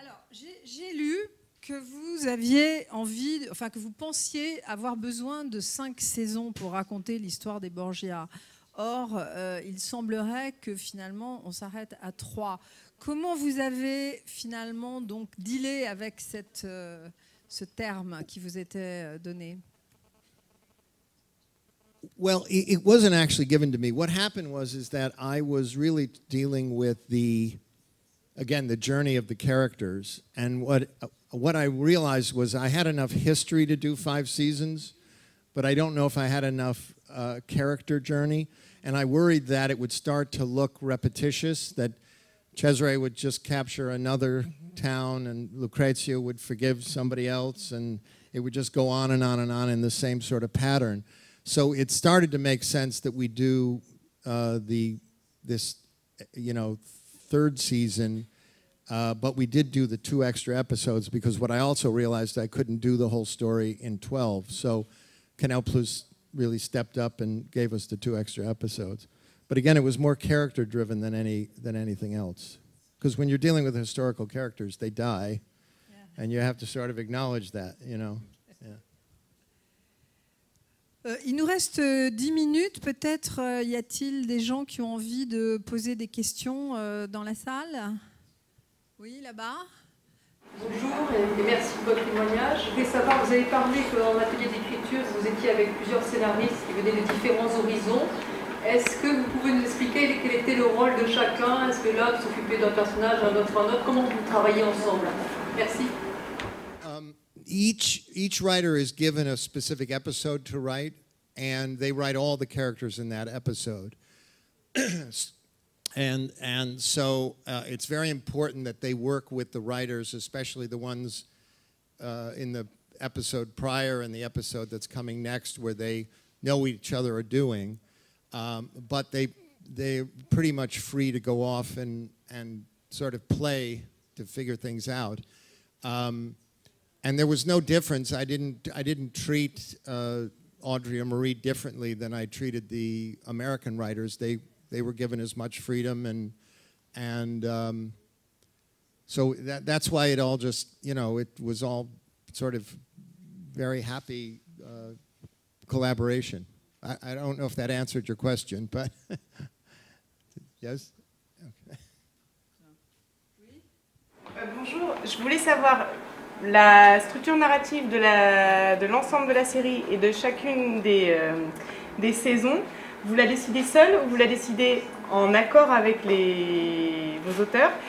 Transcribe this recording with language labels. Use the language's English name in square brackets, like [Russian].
[French] alors, j'ai lu que vous aviez envie, enfin que vous pensiez avoir besoin de 5 saisons pour raconter l'histoire des Borgia. Or, il semblerait que finalement, on s'arrête à 3. Comment vous avez finalement donc dealé avec ce terme qui vous était donné? [English] Well, it wasn't actually given to me. What happened was that I was really dealing with the journey of the characters. And what I realized was I had enough history to do 5 seasons, but I don't know if I had enough character journey. And I worried that it would start to look repetitious, that Cesare would just capture another town and Lucrezia would forgive somebody else, and it would just go on and on and on in the same sort of pattern. So it started to make sense that we do this third season, but we did do the 2 extra episodes, because what I also realized, I couldn't do the whole story in 12. So Canal Plus really stepped up and gave us the 2 extra episodes. But again, it was more character driven than anything else. Because when you're dealing with historical characters, they die. Yeah. And you have to sort of acknowledge that, you know. [French] Il nous reste 10 minutes. Peut-être y a-t-il des gens qui ont envie de poser des questions dans la salle? Oui, là-bas. Bonjour et merci pour votre témoignage. Je voulais savoir, vous avez parlé que dans l'atelier d'écriture, vous étiez avec plusieurs scénaristes qui venaient de différents horizons. Est-ce que vous pouvez nous expliquer quel était le rôle de chacun? Est-ce que l'un s'occupait d'un personnage, un autre? Comment vous travaillez ensemble? Merci. [English] Each writer is given a specific episode to write, and they write all the characters in that episode. And so it's very important that they work with the writers, especially the ones in the episode prior and the episode that's coming next, where they know what each other are doing. But they're pretty much free to go off and sort of play to figure things out. And there was no difference. I didn't treat Audrey or Marie differently than I treated the American writers. They were given as much freedom, and so that's why it all just, you know, it was all sort of very happy collaboration. I don't know if that answered your question, but yes. [French] Okay. Bonjour. Je voulais savoir la structure narrative de l'ensemble de la série et de chacune des saisons. Vous la décidez seule ou vous la décidez en accord avec vos auteurs?